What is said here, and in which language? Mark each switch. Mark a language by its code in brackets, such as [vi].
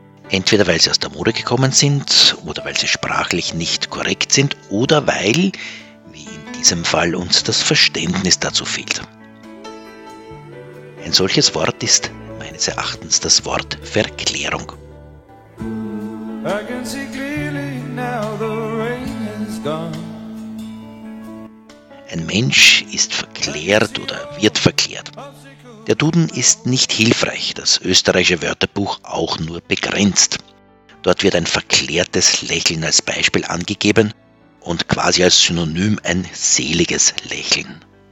[de] Entweder weil sie aus der Mode gekommen sind oder weil sie sprachlich nicht korrekt sind oder weil, wie in diesem Fall, uns das Verständnis dazu fehlt. Ein solches Wort ist meines Erachtens das Wort Verklärung. [en] I can see clearly now the rain is gone. [de] Ein Mensch ist verklärt oder wird verklärt. Der Duden ist nicht hilfreich, das österreichische Wörterbuch auch nur begrenzt. Dort wird ein verklärtes Lächeln als Beispiel angegeben und quasi als Synonym ein seliges Lächeln.